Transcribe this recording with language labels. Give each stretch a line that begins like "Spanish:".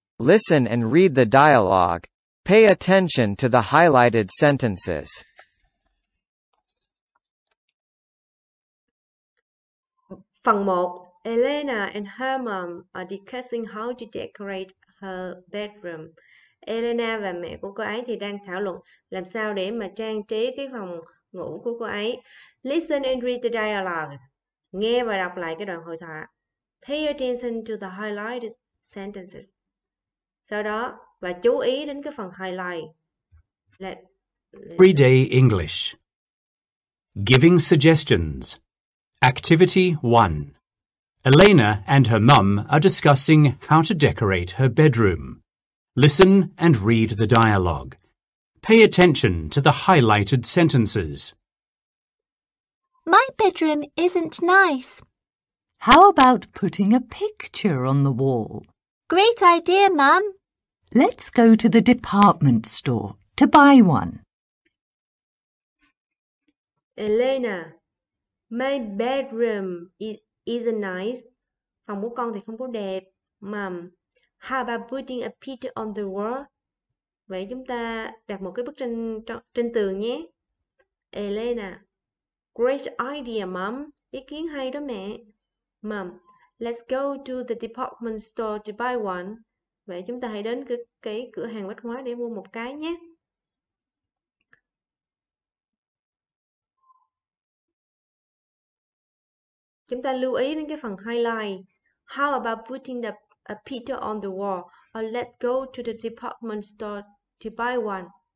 English: Listen and read the dialogue. Pay attention to the highlighted sentences.
Vietnamese: Phần 1.
English: Elena and her mom are discussing how to decorate her bedroom.
Vietnamese: Elena và mẹ của cô ấy thì đang thảo luận làm sao để mà trang trí cái phòng ngủ của cô ấy.
English: Listen and read the dialogue.
Vietnamese: Nghe và đọc lại cái đoạn hội thoại.
English: Pay attention to the highlighted sentences.
Vietnamese: Sau đó, và chú ý đến cái phần highlight.
English: Everyday English. Giving suggestions. Activity 1. Elena and her mum are discussing how to decorate her bedroom. Listen and read the dialogue. Pay attention to the highlighted sentences. My bedroom isn't nice. How about putting a picture on the wall? Great idea, Mum. Let's go to the department store to buy one. Elena, my bedroom isn't nice.
Vietnamese: Phòng của con thì không có đẹp, Mum.
English: How about putting a picture on the wall?
Vietnamese: Vậy chúng ta đặt một cái bức tranh trên tường nhé. Elena,
English: great idea, Mum.
Vietnamese: Ý kiến hay đó mẹ.
English: Mum, let's go to the department store to buy one.
Vietnamese: Vậy chúng ta hãy đến cái cửa hàng bách hóa để mua một cái nhé. Chúng ta lưu ý đến cái phần highlight.
English: How about putting the a picture on the wall, or let's go to the department store to buy one.